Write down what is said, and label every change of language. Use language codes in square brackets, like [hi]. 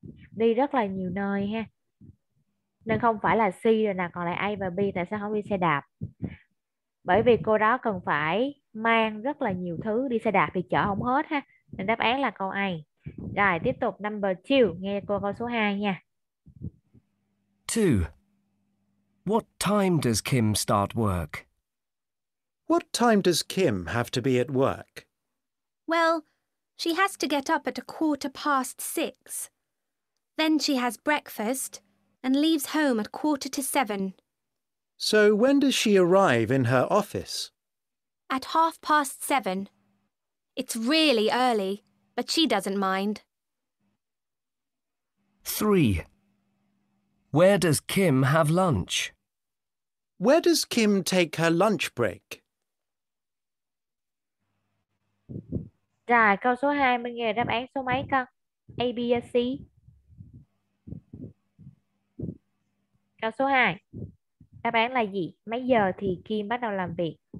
[vi] Đi rất là nhiều nơi ha. Nên không phải là C rồi nè, còn lại A và B, tại sao không đi xe đạp? Bởi vì cô đó cần phải mang rất là nhiều thứ, đi xe đạp thì chở không hết ha. Nên đáp án là câu A. Rồi, tiếp tục number 2, nghe cô câu số 2 nha. [en] 2. What time does Kim start work? What time does Kim have to be at work? Well, she has to get up at 6:15. Then she has breakfast and leaves home at 7:15. So when does she arrive in her office? At 7:30. It's really early, but she doesn't mind. 3. Where does Kim have lunch? Where does Kim take her lunch break? [vi] Rồi, câu số 2 mình nghe đáp án số mấy con? A, B, C. Câu số 2. Đáp án là gì? Mấy giờ thì Kim bắt đầu làm việc?